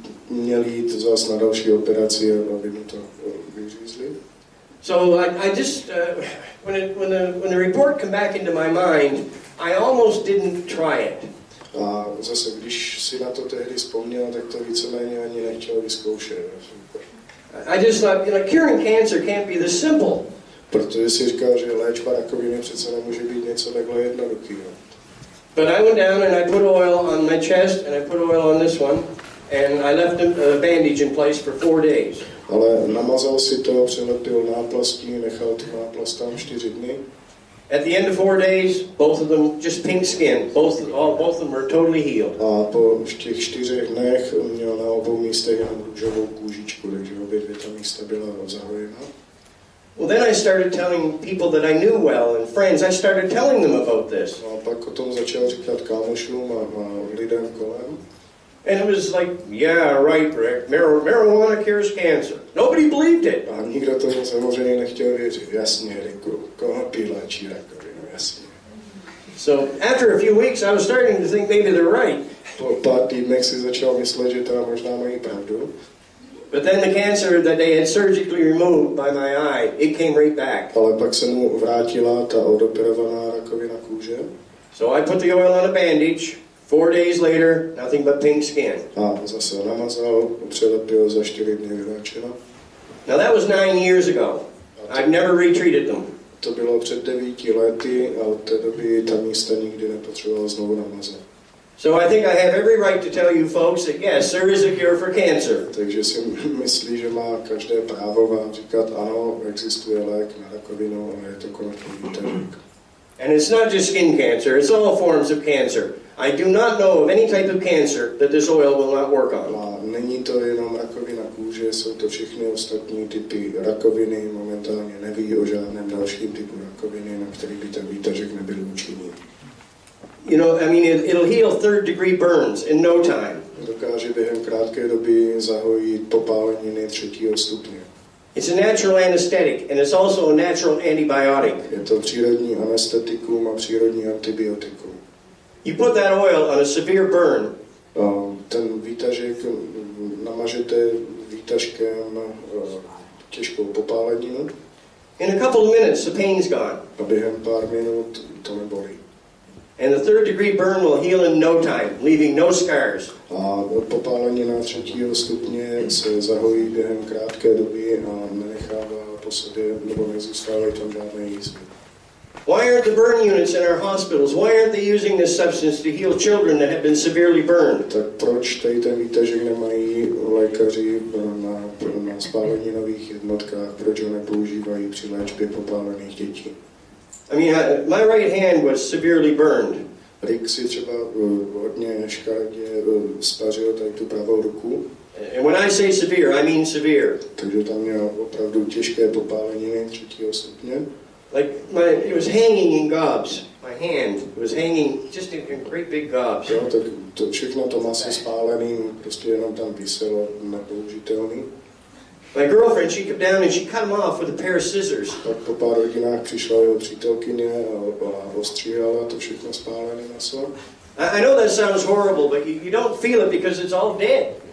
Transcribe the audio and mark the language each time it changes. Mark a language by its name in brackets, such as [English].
[Czech] Měl jít zas na další operaci, aby mu to vyřízli. [English] So when the report came back into my mind, I almost didn't try it. [Czech] A zase, když si na to tehdy vzpomněl, tak to víceméně ani nechtěl vyzkoušet. [English] I just thought, curing cancer can't be this simple. [Czech] Protože si říká, že léčba rakoviny přece nemůže být něco takhle jednoduchého. [English] But I went down and I put oil on my chest and I put oil on this one and I left a bandage in place for 4 days. [Czech] Ale namazal si to, přilepil náplastí, nechal ty náplast tam 4 dny. [English] At the end of 4 days, both of them just pink skin. Both of them were totally healed. [Czech] A po těch 4 dnech měl na obou místech jenom růžovou kůžičku, takže obě dvě ta místa byla zahojena. [English] Well, then I started telling people that I knew well and friends. I started telling them about this. [Czech] A pak o tom začal říkat kámošům a lidem kolem. [English] And it was like, yeah, right, Rick. Marijuana cures cancer. Nobody believed it. [Czech] A nikdo tomu samozřejmě nechtěl věřit. Jasně, Ricku. Konopí léčí rakovinu, jasně. [English] So after a few weeks, I was starting to think maybe they're right. [Czech] Po pár týdnech si začal myslet, že teda možná mají pravdu. [English] But then the cancer that they had surgically removed by my eye, it came right back. [Czech] Ale pak se mu vrátila ta odoperovaná rakovina kůže. [English] So I put the oil on a bandage. 4 days later, nothing but pink skin. [Czech] A zase namazal, přelepil za 4 dny vyléčeno. [English] Now that was 9 years ago. I've never retreated them. [Czech] To bylo před 9 lety a od té doby ta místa nikdy nepotřebovala znovu namazat. [English] So I think I have every right to tell you folks that yes, there is a cure for cancer. [Czech] Takže si myslí, že má každé právo vám říkat ano, existuje lék na rakovinu a je to konečný výtažek. [English] And it's not just skin cancer, it's all forms of cancer. I do not know of any type of cancer that this oil will not work on. [Czech] A není to jenom rakovina kůže, jsou to všechny ostatní typy rakoviny. Momentálně neví o žádném dalším typu rakoviny, na který by ten výtažek nebyl účinný. [English] You know, I mean, it'll heal third degree burns in no time. [Czech] Dokáže během krátké doby zahojit popáleniny třetího stupně. [English] It's a natural anesthetic and it's also a natural antibiotic. [Czech] Je to přírodní anestetikum a přírodní antibiotikum. [English] You put that oil on a severe burn. [Czech] Ten výtažek namažete výtažkem těžkou popáleninu. [English] In a couple of minutes the pain's gone. [Czech] A během pár minut to nebolí. [English] And the third degree burn will heal in no time, leaving no scars. [Czech] A od popálení na třetího stupně se zahojí během krátké doby a nenechává po sobě, nebo nezůstávají tam žádné jízvy. [English] Why aren't the burn units in our hospitals? Why aren't they using this substance to heal children that have been severely burned? [Czech] Tak proč tady ten výtažek nemají lékaři na spáleninových jednotkách? Proč ho nepoužívají při léčbě popálených dětí? [English] I mean, my right hand was severely burned. [Czech] Rick si třeba hodně škaredě spařil tady tu pravou ruku. [English] And when I say severe, I mean severe. [Czech] Takže tam měl opravdu těžké popáleniny třetího stupně. [English] Like, it was hanging in gobs. My hand was hanging just in great big gobs. [Czech] Jo, tak to všechno to masy spálený, prostě jenom tam vyselo, nepoužitelný. [English] My girlfriend, she came down and she cut him off with a pair of scissors. [Czech] Tak po pár hodinách přišla jeho přítelkyně a ostříhala to všechno spálené maso. [English] I know that sounds horrible, but you don't feel it because it's all dead.